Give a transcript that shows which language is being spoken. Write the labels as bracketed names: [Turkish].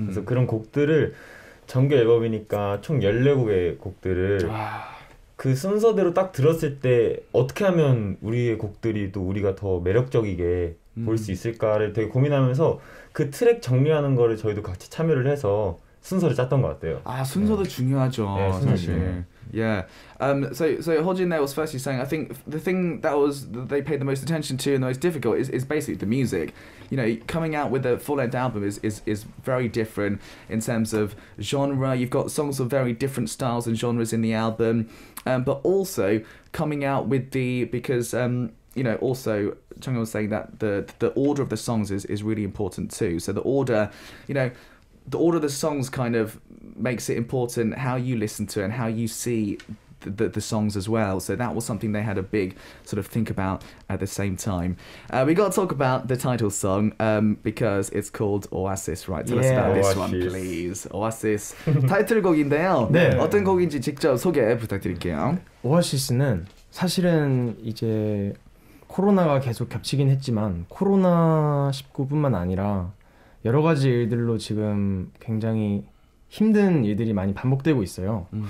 [Korean] 그래서 그런 곡들을 정규 앨범이니까 총 14곡의 곡들을 그 순서대로 딱 들었을 때 어떻게 하면 우리의 곡들이 또 우리가 더 매력적이게 볼 수 있을까를 되게 고민하면서 그 트랙 정리하는 거를 저희도 같이 참여를 해서 순서를 짰던 것 같아요. 아, 순서도 네. 중요하죠. 네, 사실. 네. [English] Yeah. So Hojin there was firstly saying, I think the thing that they paid the most attention to and the most difficult is basically the music. You know, coming out with a full-length album is very different in terms of genre. You've got songs of very different styles and genres in the album. But also coming out with the, because, you know, also Chungyeol was saying that the order of the songs is really important too. So the order, you know, the order of the songs kind of makes it important how you listen to it and how you see the songs as well. So that was something they had a big sort of think about at the same time. We got to talk about the title song because it's called Oasis, right? Tell us about this one, please. Oasis. [Korean] 타이틀곡인데요. 네. 어떤 곡인지 직접 소개 부탁드릴게요. Oasis는 사실은 이제 코로나가 계속 겹치긴 했지만 코로나 19뿐만 아니라 여러 가지 일들로 지금 굉장히 힘든 일들이 많이 반복되고 있어요.